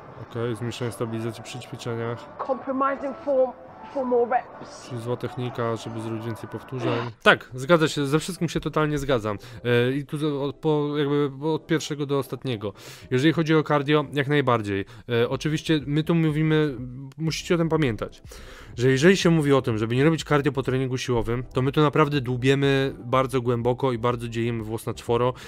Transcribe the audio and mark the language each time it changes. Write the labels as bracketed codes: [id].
[pl] Okej, okay, zmniejszenie stabilizacji przy ćwiczeniach. [en] Compromising form for more reps. [pl] Czyli zła technika, żeby zrobić więcej powtórzeń. Tak, zgadza się, ze wszystkim się totalnie zgadzam. I tu od pierwszego do ostatniego. Jeżeli chodzi o cardio, jak najbardziej. Oczywiście my tu mówimy, musicie o tym pamiętać, że jeżeli się mówi o tym, żeby nie robić cardio po treningu siłowym, to my to naprawdę dłubiemy bardzo głęboko i bardzo dziejemy włos na czworo.